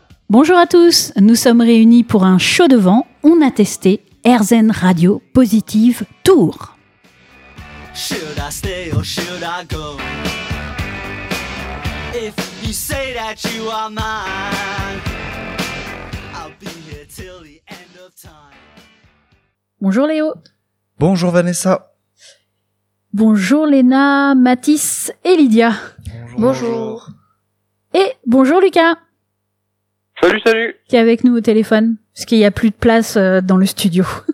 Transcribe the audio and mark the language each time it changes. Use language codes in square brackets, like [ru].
[fr] Bonjour à tous, nous sommes réunis pour un show de vent. On a testé AirZen Radio Positive Tour. [en] Should I stay or should I go? If you say that you are mine, I'll be here till the end of time. [fr] Bonjour Léo. Bonjour Vanessa. Bonjour Léna, Mathis et Lydia. Bonjour. Et bonjour Lucas. Salut, salut. Qui est avec nous au téléphone, parce qu'il n'y a plus de place dans le studio.